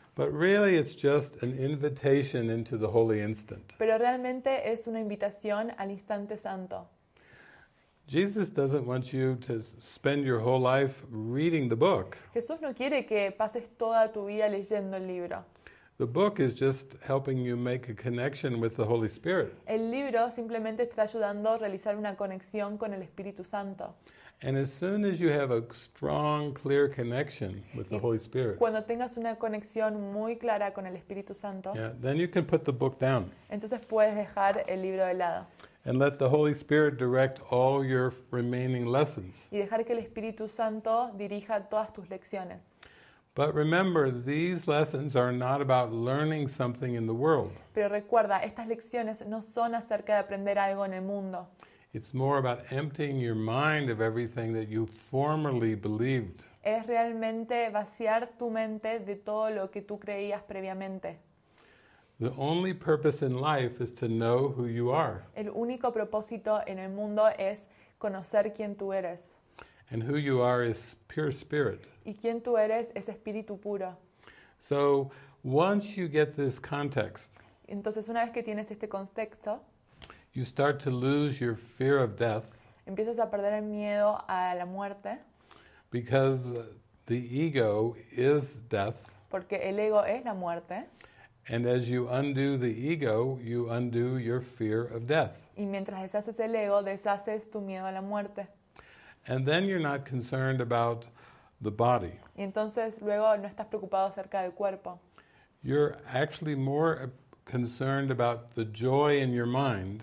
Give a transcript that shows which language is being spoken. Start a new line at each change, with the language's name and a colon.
English: But really it's just an invitation into the holy instant.
Spanish: Pero realmente es una invitación al instante santo.
English: Jesus doesn't want you to spend your whole life reading the book.
Spanish: Jesús no quiere que pases toda tu vida leyendo el libro.
English: The book is just helping you make a connection with the Holy Spirit.
Spanish: El libro simplemente está ayudando a realizar una conexión con el Espíritu Santo.
English: And as soon as you have a strong, clear connection with the Holy Spirit,
Spanish: cuando tengas una conexión muy clara con el Espíritu Santo,
English: yeah, then you can put the book down.
Spanish: Entonces puedes dejar el libro de lado.
English: And let the Holy Spirit direct all your remaining lessons.
Spanish: Y dejar que el Espíritu Santo dirija todas tus lecciones.
English: But remember, these lessons are not about learning something in the world.
Spanish: Pero recuerda, estas lecciones no son acerca de aprender algo en el mundo.
English: It's more about emptying your mind of everything that you formerly believed.
Spanish: Es realmente vaciar tu mente de todo lo que tú creías previamente.
English: The only purpose in life is to know who you are.
Spanish: El único propósito en el mundo es conocer quién tú eres.
English: And who you are is pure spirit.
Spanish: Y quién tú eres es espíritu puro.
English: So, once you get this context,
Spanish: entonces una vez que tienes este contexto,
English: you start to lose your fear of death.
Spanish: Empiezas a perder el miedo a la muerte.
English: Because the ego is death.
Spanish: Porque el ego es la muerte.
English: And as you undo the ego, you undo your fear of death.
Spanish: Y mientras deshaces el ego, deshaces tu miedo a la muerte.
English: And then you're not concerned about the body.
Spanish: Y entonces luego no estás preocupado acerca del cuerpo.
English: You're actually more concerned about the joy in your mind.